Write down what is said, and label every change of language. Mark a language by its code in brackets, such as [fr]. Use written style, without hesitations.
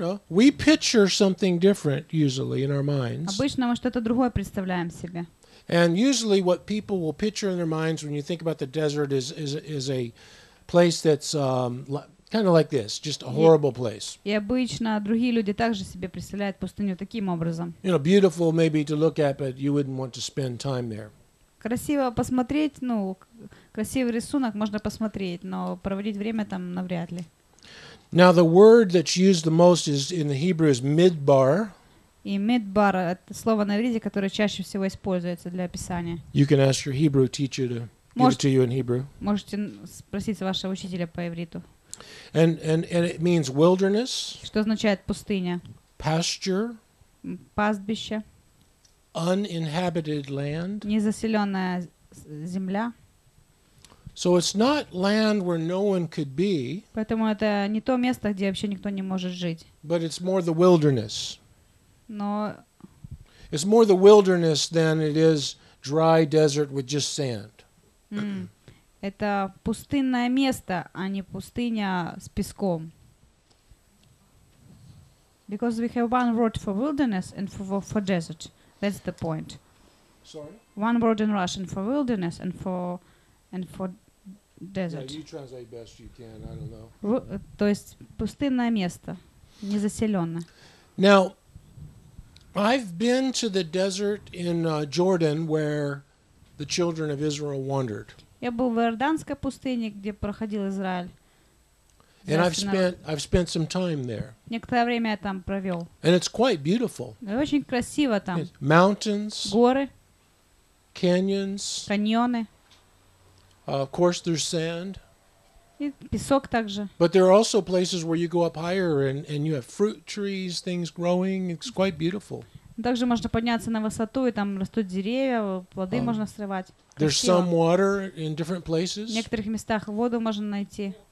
[en] We picture something different usually in our minds. [ru] Обычно мы что-то другое представляем себе. [en] And usually what people will picture in their minds when you think about the desert is a place that's kind of like this, just a horrible place. [ru] И обычно другие люди также себе представляют пустыню таким образом. [en] You know, beautiful maybe to look at, but you wouldn't want to spend time there. [ru] Красиво посмотреть, ну, красивый рисунок можно посмотреть, но проводить время там навряд ли. [en] Now the word that's used the most is in the Hebrew is midbar. [ru] И мидбар — это слово на иврите, которое чаще всего используется для описания. [en] You can ask your Hebrew teacher to give it to you in Hebrew. [ru] Можете спросить вашего учителя по ивриту. [en] And it means wilderness. [ru] Что означает пустыня? [en] Pasture. [ru] Пастбище. [en] Uninhabited land. [ru] Незаселенная земля. [en] So it's not land where no one could be. [ru] Поэтому это не то место, где вообще никто не может жить. [en] But it's more the wilderness. [ru] Но [en] it's more the wilderness than it is dry desert with just sand. [ru] Это пустынное место, а не пустыня с песком. [en] Because we have one word for wilderness and for desert. That's the point. Sorry? One word in Russian for wilderness and for desert. Yeah, you translate best you can, I don't know. [ru] То есть пустынное место, незаселённое. [en] Now I've been to the desert in Jordan where the children of Israel wandered. [ru] Я был в Иорданской пустыне, где проходил Израиль. [en] And I've spent some time there. [ru] Некоторое время я там провёл. [en] And it's quite beautiful. [ru] И очень красиво там. [en] It's mountains. [ru] Горы. [en] Canyons. [ru] Каньоны. [en] Of course there's sand. [ru] Песок также. [en] But there are also places where you go up higher and you have fruit trees, things growing. It's quite beautiful. [ru] Также можно подняться на высоту, и там растут деревья, плоды можно срывать. Красиво. [en] There's some water in different places. [ru] В некоторых местах воду можно найти.